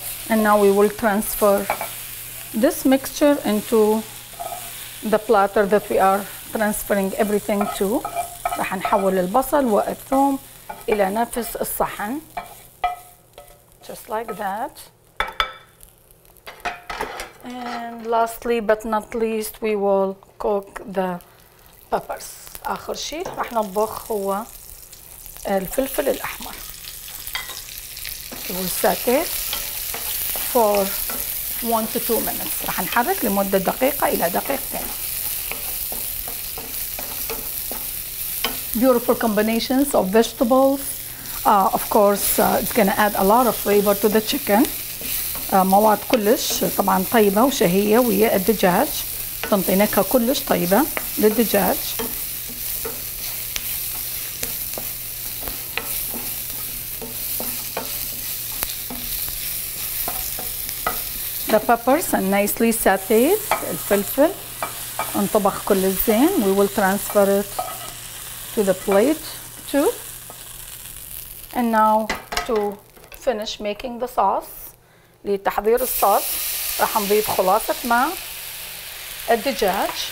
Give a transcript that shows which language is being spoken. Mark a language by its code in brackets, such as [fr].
[en] And now we will transfer this mixture into the platter that we are transferring everything to. [ar] رح نحول البصل والثوم إلى نفس الصحن. [en] Just like that. And lastly but not least, we will cook the peppers. [ar] آخر شيء رح نطبخ هو الفلفل الأحمر. [en] We will saute for 1 to 2 minutes. [ar] رح نحرك لمدة دقيقة إلى دقيقتين. [en] Beautiful combinations of vegetables. Of course, it's gonna add a lot of flavor to the chicken. [ar] مواد كلش طبعا طيبة وشهية ويا الدجاج. تنطي نكهة كلش طيبة للدجاج. [en] The peppers and nicely sauteed [ar] الفلفل انطبخ كل الزين. [en] We will transfer it to the plate too. And now to finish making the sauce, [ar] لتحضير الصوص راح نضيف خلاصة ماء الدجاج.